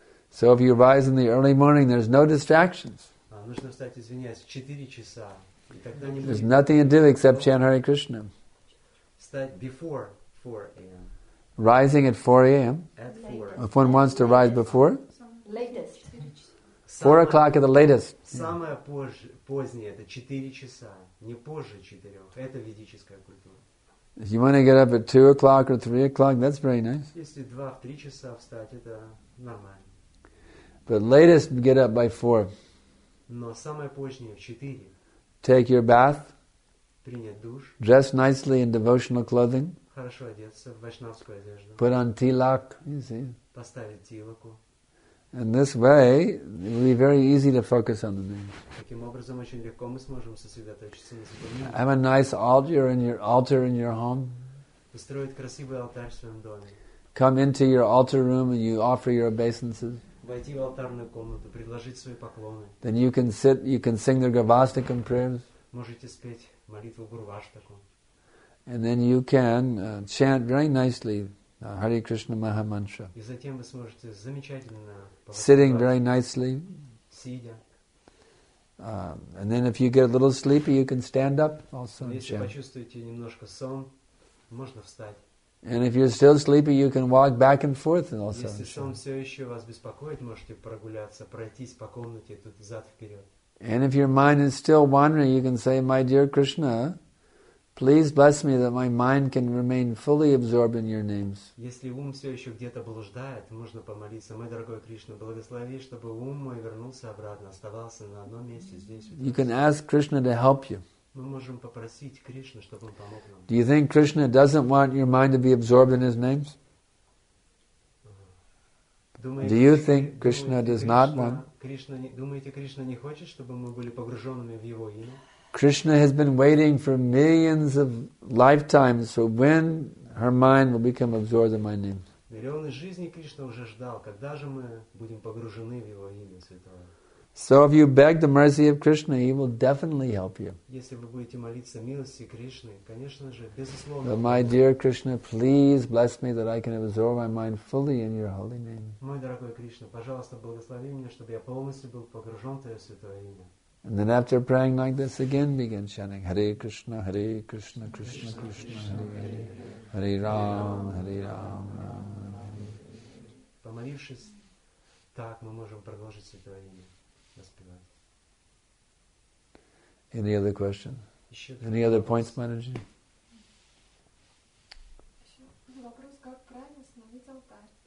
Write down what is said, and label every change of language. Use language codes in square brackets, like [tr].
[en] So if you rise in the early morning, there's no distractions. [ru] Нужно встать, извиняюсь, в 4 часа. И тогда не [en] There's nothing to do except chant Hare Krishna. [ru] Встать [en] before 4 a.m. Rising at 4 a.m. At 4. If one wants to rise before? Latest. 4 o'clock at the latest. [ru] Самое позднее – это 4 часа. Не позже 4-х. Это ведическая культура. [en] If you want to get up at 2 o'clock or 3 o'clock, that's very nice. [ru] Если 2-3 часа встать – это нормально. [en] But latest, get up by 4. [ru] Но самое позднее, в 4. [en] Take your bath. [ru] Принять душ. [en] Dress nicely in devotional clothing. [ru] Хорошо одеться в вайшнавскую одежду. [en] Put on tilak, you see. [ru] Поставить тилаку. [en] And this way, it will be very easy to focus on the name. [ru] Таким образом, очень легко мы сможем сосредоточиться на святом имени. [en] Have a nice altar in your home. [ru] Построить красивый алтарь в своем доме. [en] Come into your altar room and you offer your obeisances. [ru] Войти в алтарную комнату, предложить свои поклоны. [en] Then you can sit, you can sing the Gavastakam prayers. [ru] Можете спеть молитву Гурваштаку. [en] And then you can chant very nicely Hare Krishna Maha Mantra. [ru] И затем вы сможете замечательно [en] sitting very nicely. [ru] Сидя. [en] And then if you get a little sleepy, you can stand up also and chant. [ru] Если почувствуете немножко сон, можно встать. [en] And if you're still sleepy, you can walk back and forth and also. [ru] Если сон все еще вас беспокоит, можете прогуляться, пройтись по комнате тут взад вперед. [en] And if your mind is still wandering, you can say, "My dear Krishna, Please bless me that my mind can remain fully absorbed in your names. [ru] Если ум все еще где-то блуждает, можно помолиться, мой дорогой Кришна, благослови, чтобы ум мой вернулся обратно, оставался на одном месте здесь. [en] You can ask Krishna to help you. [ru] Мы можем попросить Кришну, чтобы он помог нам. [en] Do you think Krishna doesn't want your mind to be absorbed in his names? Do you think Krishna does not want? [ru] Кришна, думаете, Кришна не хочет, чтобы мы были погруженными в его имя? [en] Krishna has been waiting for millions of lifetimes for when her mind will become absorbed in my name. [ru] Миллионы жизней Кришна уже ждал, когда же мы будем погружены в его имя святое. [en] So if you beg the mercy of Krishna, he will definitely help you. [ru] Если вы будете молиться милости Кришны, конечно же, безусловно. [en] But my dear Krishna, please bless me that I can absorb my mind fully in your holy name. [ru] Мой дорогой Кришна, пожалуйста, благослови меня, чтобы я полностью был погружен в твое святое имя. [en] And then after praying like this, again begin chanting, Hare Krishna, Hare Krishna, Krishna Krishna, Krishna Hare Hare, Hare Ram, Hare Ram, Ram Ram. [ru] Помолившись так, мы можем продолжить святое имя воспевать. [en] Any other question? Any other points, Maharaji? [ru] Вопрос, как правильно установить алтарь?